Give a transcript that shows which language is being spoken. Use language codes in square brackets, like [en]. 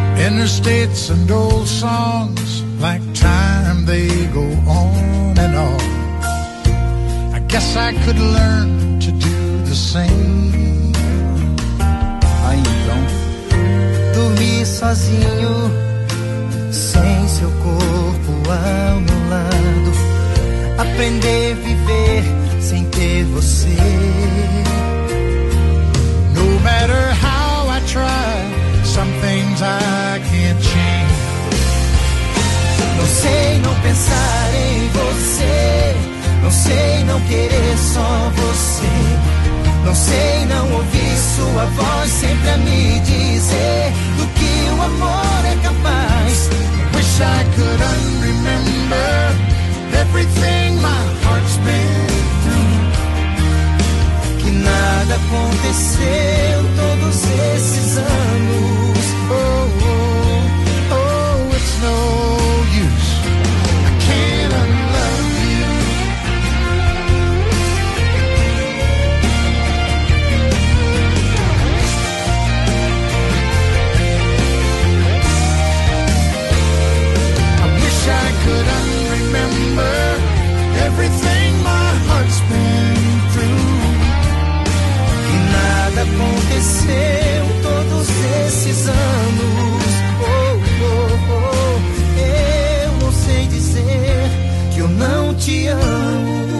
[en] Interstates and old songs, like time they go on and on. I guess I could learn to do the same. [pt] Aí então, dormir sozinho, sem seu corpo ao meu lado, aprender a viver sem ter você. [en] No matter how I try, some things I can't change. [pt] Não sei não pensar em você, não sei não querer só você, não sei não ouvir sua voz sempre a me dizer do que o amor é capaz. [en] Wish I could unremember everything my heart's been through. [pt] Que nada aconteceu todos esses anos. [en] Oh, oh, oh, it's no use. I can't unlove you. I wish I could unremember everything my heart's been through. [pt] E nada aconteceu todos esses anos. Oh, oh, oh, eu não sei dizer que eu não te amo.